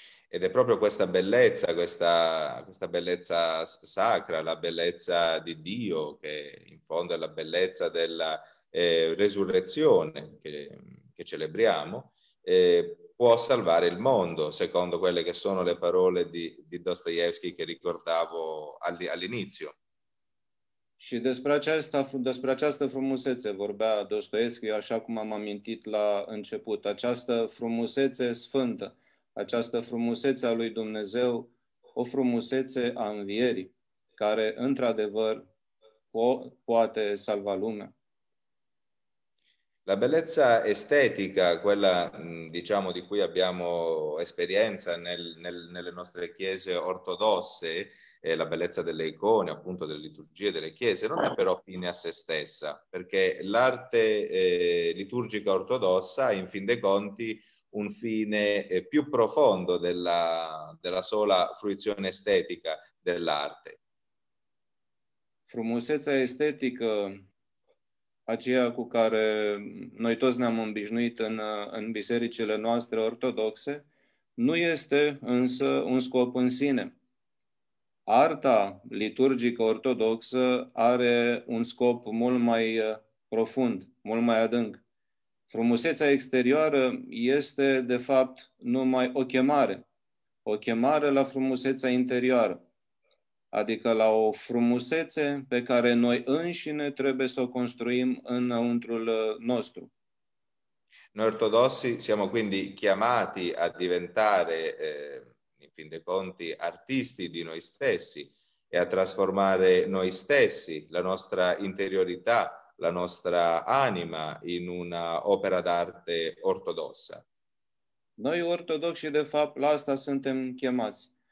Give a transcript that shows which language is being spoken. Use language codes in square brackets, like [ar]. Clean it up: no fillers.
[it] Ed è proprio questa bellezza, questa bellezza sacra, la bellezza di Dio, che in fondo è la bellezza della resurrezione che celebriamo, può salvare il mondo, secondo quelle che sono le parole di Dostoevsky che ricordavo all'inizio. [ro] Și despre această frumusețe vorbea Dostoevski, așa cum am amintit la început, această frumusețe sfântă, această frumusețe a lui Dumnezeu, o frumusețe a învierii, care într-adevăr poate salva lumea. [it] La bellezza estetica, quella diciamo di cui abbiamo esperienza nelle nostre chiese ortodosse, la bellezza delle icone, appunto delle liturgie delle chiese, non è però fine a se stessa, perché l'arte liturgica ortodossa ha in fin dei conti un fine più profondo della sola fruizione estetica dell'arte. [ro] Frumusețea estetică, aceea cu care noi toți ne-am obișnuit în bisericile noastre ortodoxe, nu este însă un scop în sine. Arta liturgică ortodoxă are un scop mult mai profund, mult mai adânc. Frumusețea exterioară este, de fapt, numai o chemare. O chemare la frumusețea interioară, adică la o frumusețe pe care noi înșine trebuie să o construim înăuntrul nostru. [it] Noi ortodossi siamo quindi chiamati a diventare, in fin dei conti, artisti di noi stessi e a trasformare noi stessi, la nostra interiorità, la nostra anima, in una opera d'arte ortodossa. [ro] Noi ortodoxi, de fapt, la asta suntem chemați.